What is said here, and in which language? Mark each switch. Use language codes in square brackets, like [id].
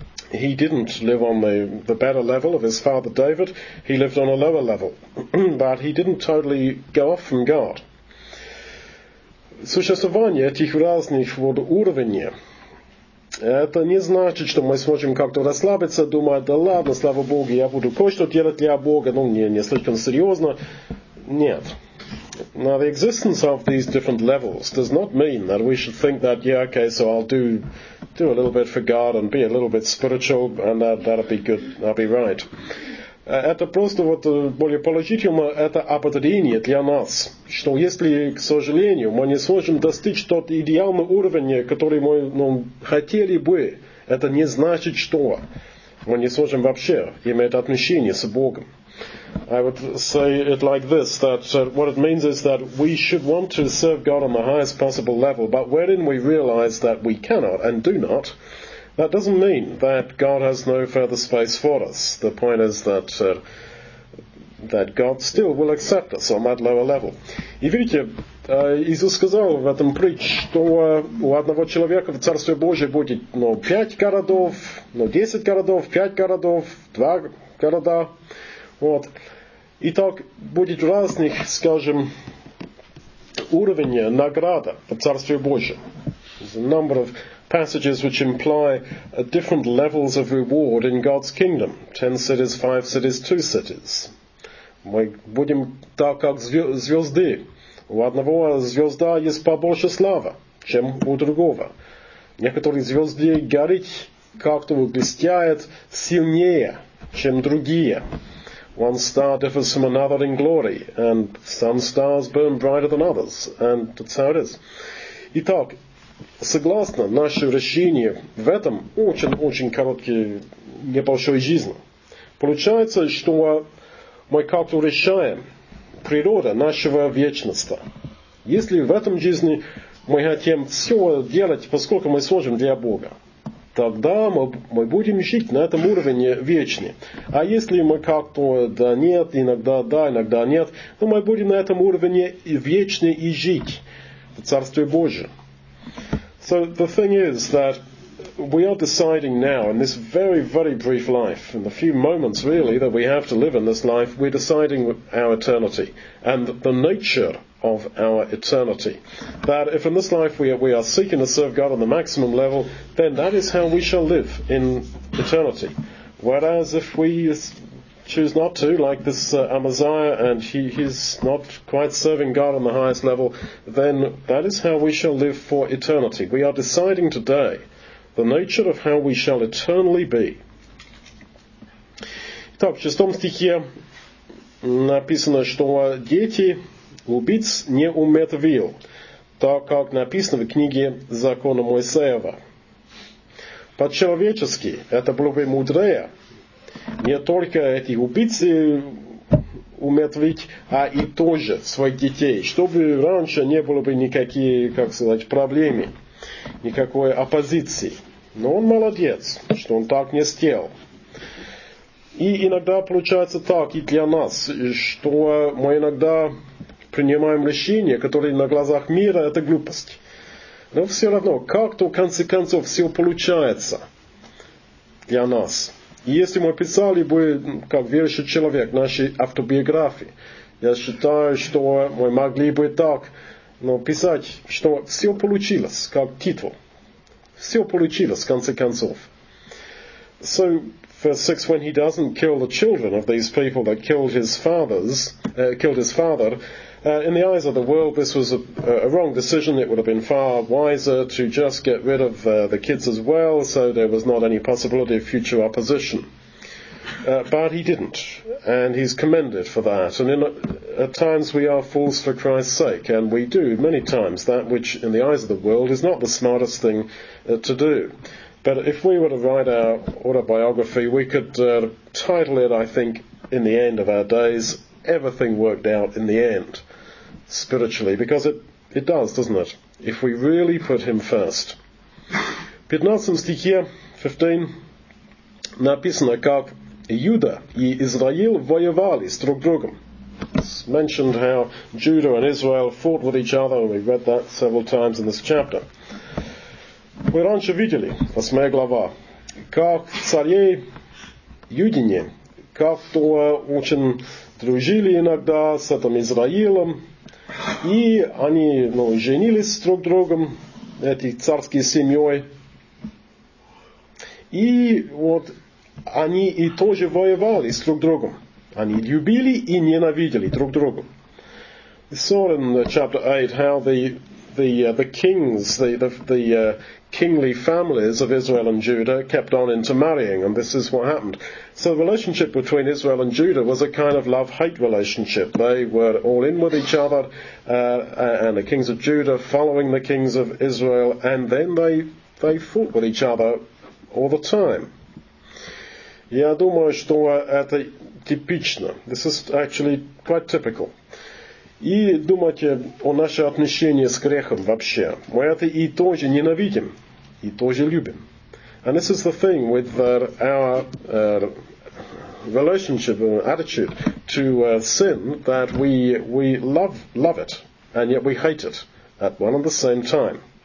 [en] He didn't live on the better level of his father David. He lived on a lower level. But he didn't totally go off from God. [ru] Существование этих разных вот уровней, это не значит, что мы сможем как-то расслабиться, думать, да ладно, слава Богу, я буду кое-что делать для Бога, ну, не слишком серьезно. Нет. [en] Now, the existence of these different levels does not mean that we should think that, yeah, okay, so I'll do a little bit for God and be a little bit spiritual and that'll be good, that'll be right. [ru] Это просто вот более положительно, это ободрение для нас, что если, к сожалению, мы не сможем достичь тот идеальный уровень, который мы хотели бы, это не значит, что мы не сможем вообще иметь отношение с Богом. [en] I would say it like this, that what it means is that we should want to serve God on the highest possible level, but wherein we realize that we cannot and do not, that doesn't mean that God has no further space for us. The point is that that God still will accept us on that lower level. [ru] И видите, Иисус сказал в этом притч, что у одного человека в Царстве Божьем будет, ну, 5 городов, ну, 10 городов, 5 городов, 2 города. Вот. И так будет разных, скажем, уровней награда в Царстве Божьем. [en] There's a number of passages which imply different levels of reward in God's kingdom. 10 cities, 5 cities, 2 cities. [ru] Мы будем так, как звезды. У одного звезда есть побольше славы, чем у другого. Некоторые звезды горят, как-то блестят сильнее, чем другие. [en] One star differs from another in glory, and some stars burn brighter than others, and that's how it is. [ru] Итак, согласно наше решение в этом очень-очень короткой небольшой жизни, получается, что мы как-то решаем природу нашего вечности. Если в этом жизни мы хотим все делать, поскольку мы сможем для Бога, тогда мы будем жить на этом уровне вечно. А если мы как-то да нет, иногда да, иногда нет, то мы будем на этом уровне вечно и жить. Царствие Божие. [en] So the thing is that we are deciding now in this very, very brief life, in the few moments really that we have to live in this life, we're deciding our eternity and the nature of our eternity. That if in this life we are seeking to serve God on the maximum level, then that is how we shall live in eternity. Whereas if we choose not to, like this Amaziah, and he's not quite serving God on the highest level, then that is how we shall live for eternity. We are deciding today the nature of how we shall eternally be. [ru] Итак, в шестом стихе написано, что дети убийц не умертвил, так как написано в книге закона Моисеева. По-человечески это было бы мудрее не только этих убийц умертвить, а и тоже своих детей, чтобы раньше не было бы никакие, как сказать, проблемы, никакой оппозиции. Но он молодец, что он так не сделал. И иногда получается так и для нас, что мы иногда принимаем решения, которые на глазах мира — это глупость. Но все равно, как-то в конце концов все получается для нас. И если мы писали бы, как верующий человек, наши автобиографии, я считаю, что мы могли бы так, но писать, что все получилось, как титул. Все получилось, в конце концов. [en] So, verse 6, when he doesn't kill the children of these people that killed his father, in the eyes of the world, this was a wrong decision. It would have been far wiser to just get rid of the kids as well, so there was not any possibility of future opposition. But he didn't, and he's commended for that. And at times we are fools for Christ's sake, and we do many times that which in the eyes of the world is not the smartest thing to do. But if we were to write our autobiography, we could title it, I think, in the end of our days, Everything Worked Out in the End, spiritually, because it does, doesn't it? If we really put him first. [ru] 15 стихе, 15, написано, как Иуда и Израиль воевали с друг другом. [en] It's mentioned how Judah and Israel fought with each other, and we've read that several times in this chapter. [ru] Мы раньше видели, 8 глава, как царей Юдине, как то очень дружили иногда с этим Израилем, и они, ну, женились друг с другом, этой царской семьей, и вот они и тоже воевали с друг другом. Они любили и ненавидели друг друга. [en] We saw in chapter 8 how the kingly families of Israel and Judah kept on intermarrying, and this is what happened. So the relationship between Israel and Judah was a kind of love-hate relationship. They were all in with each other, and the kings of Judah following the kings of Israel, and then they fought with each other all the time. [ru] Я думаю, что это типично. [en] This is actually quite typical. [ru] И думайте о наших отношениях с грехом вообще. Мы это и тоже ненавидим, и тоже любим. [en] And this is the thing with our relationship and attitude to sin, that we love it, and yet we hate it at one and the same time.